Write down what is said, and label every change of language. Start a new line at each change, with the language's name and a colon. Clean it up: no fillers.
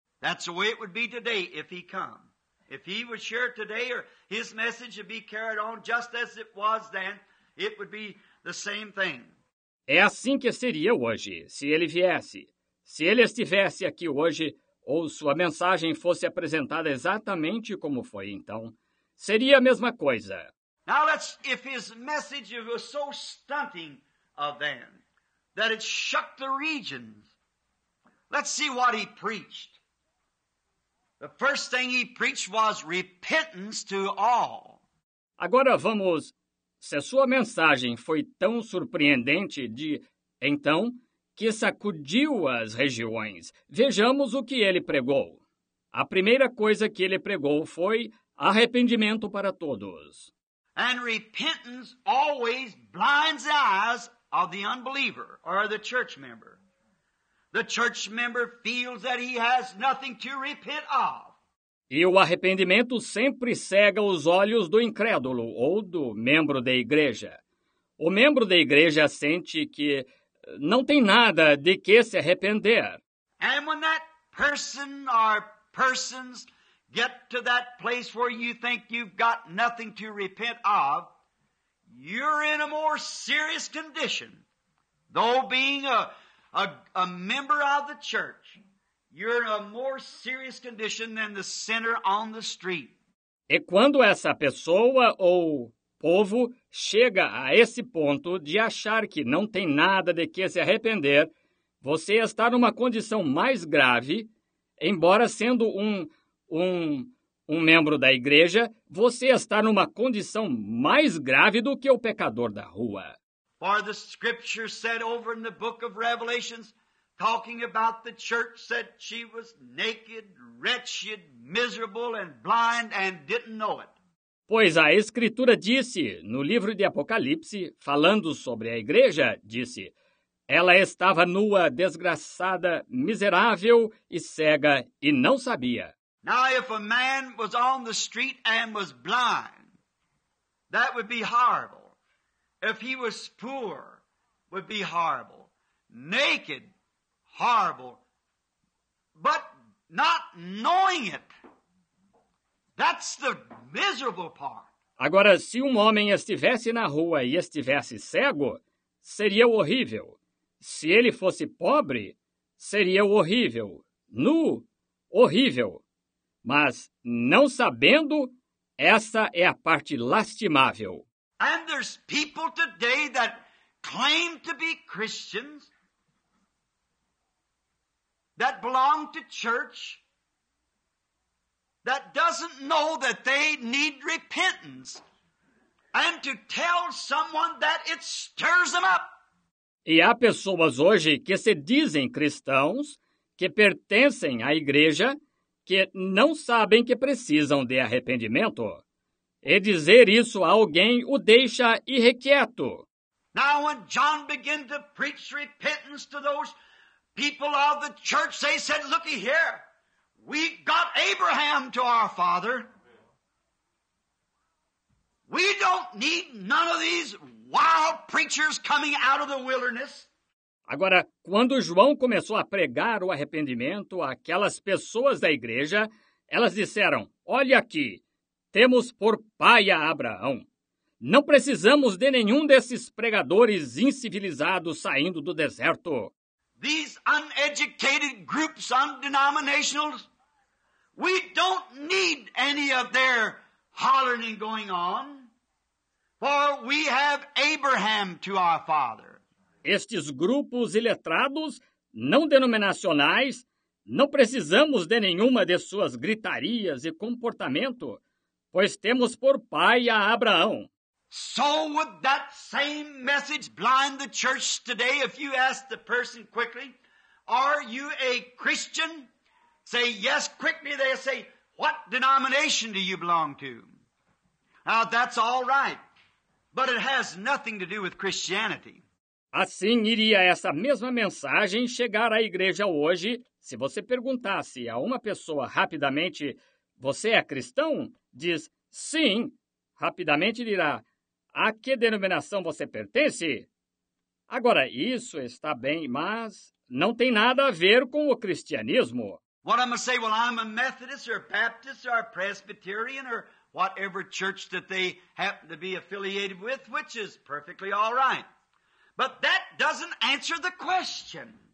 English: That's the way it would be today if he come. If he would share today or his message would be carried on just as it was then, it would be the same thing.
Portuguese: É assim que seria hoje, se ele viesse. Se ele estivesse aqui hoje, ou sua mensagem fosse apresentada exatamente como foi então, seria a mesma coisa.
English: Now let's, if his message was so stunting of then, that it shook the regions, let's see what he preached. The first thing he preached was repentance to all.
Portuguese: Agora vamos, se a sua mensagem foi tão surpreendente de então que sacudiu as regiões, vejamos o que ele pregou. A primeira coisa que ele pregou foi arrependimento para todos.
English: And repentance always blinds the eyes of the unbeliever or the church member. The church member feels that he has nothing to repent of.
Portuguese: E o arrependimento sempre cega os olhos do incrédulo ou do membro da igreja. O membro da igreja sente que não tem nada de que se arrepender.
English: And when that person or persons get to that place where you think you've got nothing to repent of, you're in a more serious condition. Though being a member of the church, you're in a more serious condition than the sinner on the street.
Portuguese: E quando essa pessoa ou povo chega a esse ponto de achar que não tem nada de que se arrepender, você está numa condição mais grave, embora sendo um membro da igreja, você está numa condição mais grave do que o pecador da rua.
English: For the scripture said over in the book of Revelations, talking about the church, said she was naked, wretched, miserable, and blind, and didn't know it.
Portuguese: Pois a escritura disse, no livro de Apocalipse, falando sobre a igreja, disse, ela estava nua, desgraçada, miserável e cega, e não sabia.
English: Now if a man was on the street and was blind, that would be horrible. If he was poor, would be horrible. Naked, horrible. But not knowing it, that's the miserable part.
Portuguese: Agora, se homem estivesse na rua e estivesse cego, seria horrível. Se ele fosse pobre, seria horrível. Nu, horrível. Mas não sabendo, essa é a parte lastimável.
English: And there's people today that claim to be Christians, that belong to church, that doesn't know that they need repentance, and to tell someone that it stirs them up.
Portuguese: E há pessoas hoje que se dizem cristãos, que pertencem à igreja, que não sabem que precisam de arrependimento. E dizer isso a alguém o deixa irrequieto.
English: Now when John began to preach repentance to those people of the church, they said, look here, we got Abraham to our father. We don't need none of these wild preachers coming out of the wilderness.
Portuguese: Agora, quando João começou a pregar o arrependimento àquelas pessoas da igreja, elas disseram, olha aqui, temos por pai a Abraão. Não precisamos de nenhum desses pregadores incivilizados saindo do deserto.
English: These uneducated groups on denominationals, we don't need any of their hollering going on, for we have Abraham to our father.
Portuguese: Estes grupos iletrados, não denominacionais, não precisamos de nenhuma de suas gritarias e comportamento, pois temos por pai a Abraão.
English: So would that same message blind the church today if you ask the person quickly, are you a Christian? Say yes quickly, they say, what denomination do you belong to? Now that's all right, but it has nothing to do with Christianity.
Portuguese: Assim iria essa mesma mensagem chegar à igreja hoje se você perguntasse a uma pessoa rapidamente, você é cristão? Diz, sim. Rapidamente dirá, a que denominação você pertence? Agora, isso está bem, mas não tem nada a ver com o cristianismo.
English: What I'm going to say, well, I'm a Methodist or Baptist or Presbyterian or whatever church that they happen to be affiliated with, which is perfectly all right. But that doesn't answer the question.